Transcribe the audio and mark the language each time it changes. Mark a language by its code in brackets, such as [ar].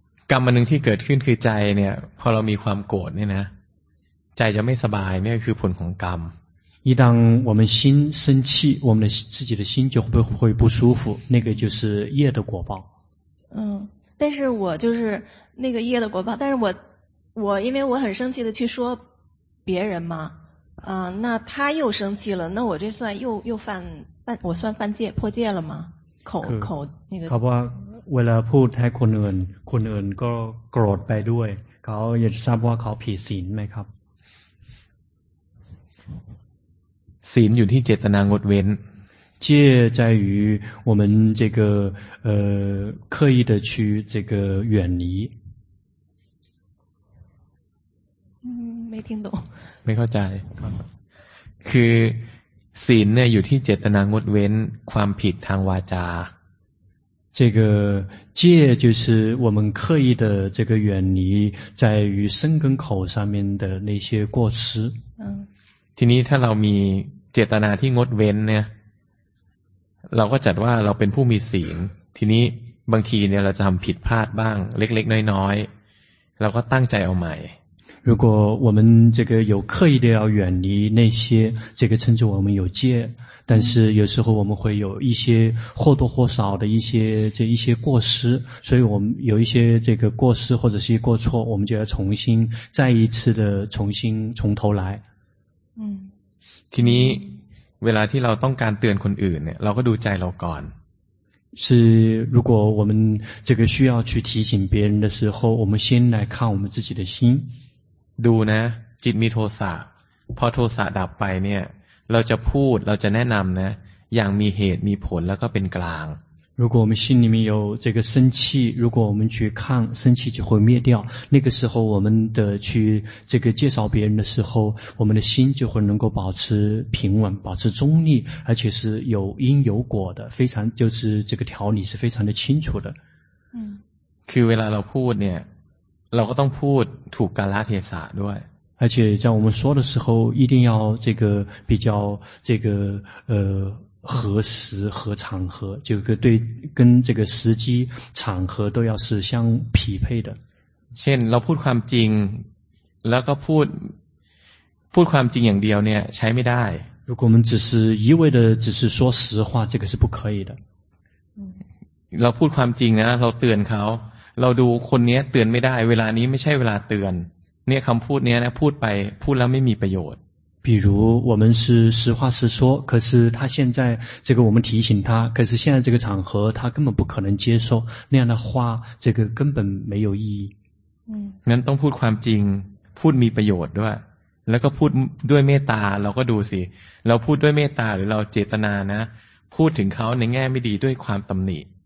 [th] กรรมอันหนึ่งที่เกิดขึ้นคือใจเนี่ยพอเรามีความโกรธเนี่ยนะใจจะไม่สบายเนี่ยคือผลของกรรม [zh] 一旦我们心生气我们的自己的心就会不舒服那个就是业的果报嗯，但是我就是那个业的果报，但是我因为我很生气的去说别人嘛，那他又生气了，那我这算又犯我算犯戒破戒了吗？口那个。 [th] เขาบอกเวลาพูดให้คนอื่นก็โกรธไปด้วยเขาอยากจะทราบว่าเขาผิดศีลไหมครับ？ ศีลอยู่ที่เจตนางดเว้น。 [zh] 戒在于我们这个刻意的去这个远离。嗯，没听懂。没 [th] เข้าใจ。 คือศีลเนี่ยอยู่ที่เจตนางดเว้นความผิดทางวาจา。 [zh] 这个戒就是我们刻意的这个远离在于身跟口上面的那些过失。嗯。 [th] ทีนี้ถ้าเรามีเจตนาที่งดเว้นเนี่ยเราก็จัดว่าเราเป็นผู้มีศีลทีนี้บางทีเนี่ยเราจะทำผิดพลาดบ้างเล็กๆน้อยๆเราก็ตั้งใจเอาใหม่ [zh] 如果我们这个有刻意的要远离那些这个称之我们有戒但是有时候我们会有一些或多或少的一些过失所以我们有一些这个过失或者是过错我们就要重新再一次的重新从头来嗯 [th] ทีนี้เวลาที่เราต้องการเตือนคนอื่นเนี่ยเราก็ดูใจเราก่อน [zh] 是如果我们这个需要去提醒别人的时候我们先来看我们自己的心 [th] ดูนะจิตมีโทสะพอโทสะดับไปเนี่ยเราจะพูดเราจะแนะนำนะอย่างมีเหตุมีผลแล้วก็เป็นกลาง [zh] 如果我们心里面有这个生气如果我们去看生气就会灭掉那个时候我们的去这个介绍别人的时候我们的心就会能够保持平稳保持中立而且是有因有果的非常就是这个条理是非常的清楚的嗯 [th] คือเวลาเราพูดเนี่ยเราก็ต้องพูดถูกกาลเทศะด้วย [zh] 而且在我们说的时候一定要这个比较这个何时何场合就对跟这个时机场合都要是相匹配的 [th] เช่นเราพูดความจริงแล้วก็พูดความจริงอย่างเดียวเนี่ยใช้ไม่ได้ [zh] 如果我们只是一味的只是说实话这个是不可以的 [th] เราพูดความจริงนะเราเตือนเขาเราดูคนเนี้ยเตือนไม่ได้เวลานี้ไม่ใช่เวลาเตือนเนี่ยคำพูดเนี้ยนะพูดไปพูดแล้วไม่มีประโยชน์ [zh] 比如我们是实话实说可是他现在这个我们提醒他可是现在这个场合他根本不可能接受那样的话这个根本没有意义嗯 [th] นั้นต้องพูดความจริงพูดมีประโยชน์ด้วยแล้วก็พูดด้วยเมตตาเราก็ดูสิเราพูดด้วยเมตตาหรือเราเจตนานะพูดถึงเขาในแง่ไม่ดีด้วยความตำหนิ